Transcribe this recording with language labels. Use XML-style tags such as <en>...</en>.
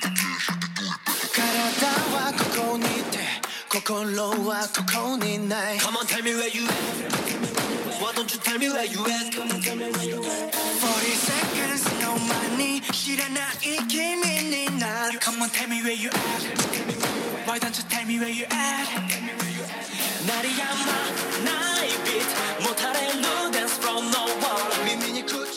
<ja>体はここにいて心はここにない。</ja> <en>Come on, tell me where you at. Why don't you tell me where you at.</en> <ja>40 seconds の前に知らない君になる。</ja> <en>Come on, tell me where you at. Why don't you tell me where you at.</en> <ja>鳴りやまないビート、もたれるダンスフロー。</ja>